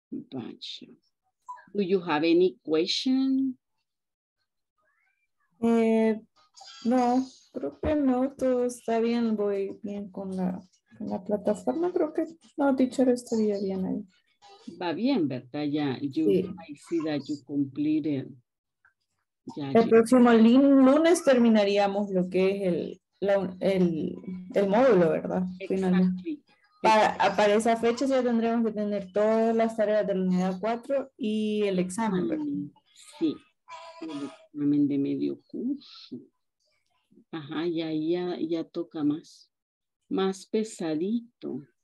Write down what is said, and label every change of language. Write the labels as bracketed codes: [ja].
[en] Do you have any question? [es] No, creo que no, todo está bien, voy bien con la plataforma, creo que no, teacher, estaría bien ahí. Va bien, ¿verdad? [en] Ya, yeah, sí. I see that you completed. [es] Yeah, el próximo lunes terminaríamos lo que es el módulo, ¿verdad? Exactamente. Para esa fecha ya tendremos que tener todas las tareas de la unidad 4 y el examen. Sí, el examen de medio curso. Ajá, ya toca más pesadito.